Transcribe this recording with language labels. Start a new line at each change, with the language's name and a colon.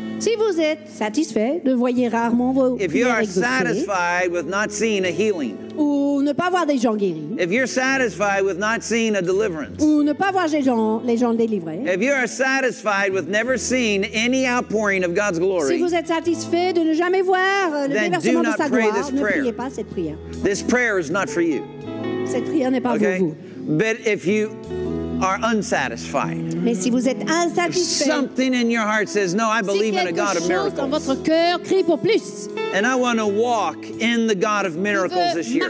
French: si vous êtes satisfait de voyez rarement vos
English: if you are satisfied with not seeing a healing,
French: ou ne pas voir des gens guéris,
English: if you're satisfied with not seeing a deliverance,
French: ou ne pas voir les gens délivrés,
English: if you are satisfied with never seeing any outpouring of God's glory,
French: si vous êtes satisfait de ne jamais voir le déversement de sa gloire,
English: then do not pray this prayer. This prayer is not for you.
French: Cette prière n'est pas
English: okay?
French: pour vous.
English: But if you are unsatisfied.
French: Mais si vous êtes insatisfait,
English: something in your heart says, no, I believe in a God of miracles.
French: Dans votre cœur crie pour plus.
English: And I want to walk in the God of miracles this year.